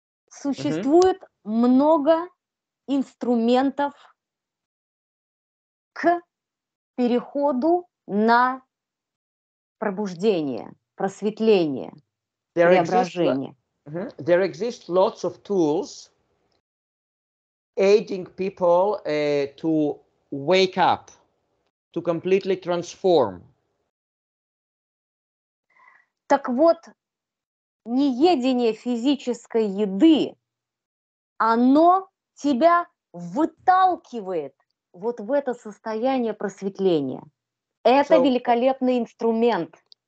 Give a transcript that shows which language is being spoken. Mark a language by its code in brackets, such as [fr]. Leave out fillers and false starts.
[ru] Существует много инструментов к переходу на пробуждение, просветление, преображение. [en] There exist lots of tools aiding people to wake up, to completely transform. [ru] Так вот, неедение физической еды, оно тебя выталкивает вот в это состояние просветления. Это великолепный инструмент.